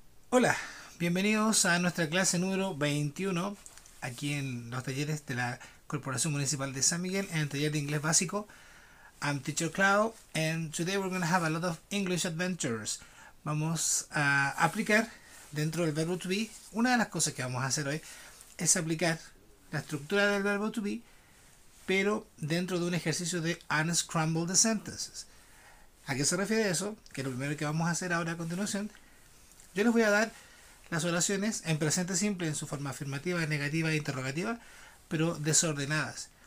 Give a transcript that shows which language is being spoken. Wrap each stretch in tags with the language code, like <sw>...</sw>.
<es>Hola, bienvenidos a nuestra clase número 21 aquí en los talleres de la Corporación Municipal de San Miguel, en el taller de inglés básico.</es> <en>I'm Teacher Cloud and today we're going to have a lot of English adventures.</en> <es>Vamos a aplicar dentro del verbo to be. Una de las cosas que vamos a hacer hoy es aplicar la estructura del verbo to be, pero dentro de un ejercicio de</es> <en>unscramble the sentences.</en> <es>¿A qué se refiere eso? Que lo primero que vamos a hacer ahora a continuación, yo les voy a dar las oraciones en presente simple, en su forma afirmativa, negativa e interrogativa, pero desordenadas.</es>